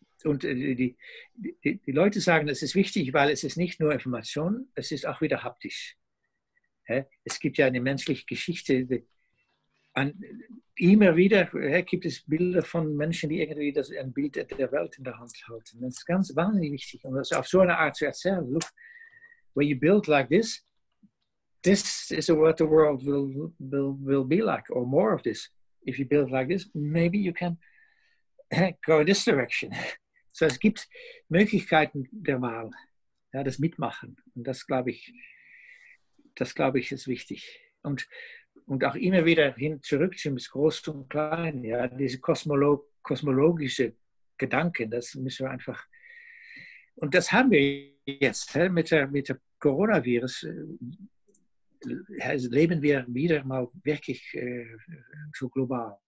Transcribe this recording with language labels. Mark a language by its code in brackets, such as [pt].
[de] Und die Leute sagen, es ist wichtig, weil es ist nicht nur Information, es ist auch wieder haptisch. Es gibt ja eine menschliche Geschichte. Immer wieder gibt es Bilder von Menschen, die irgendwie das ein Bild der Welt in der Hand halten. Das ist ganz wahnsinnig wichtig, um das auf so eine Art zu erzählen. [en] Look, when you build like this, this is what the world will be like, or more of this. If you build like this, maybe you can go in this direction. [de] So es gibt Möglichkeiten der Wahl, ja, das Mitmachen. Und das glaube ich, ist wichtig. Und auch immer wieder hin zurück zum Großen und Kleinen, ja, diese kosmologische Gedanken, das müssen wir einfach, und das haben wir jetzt, mit der Coronavirus leben wir wieder mal wirklich so global.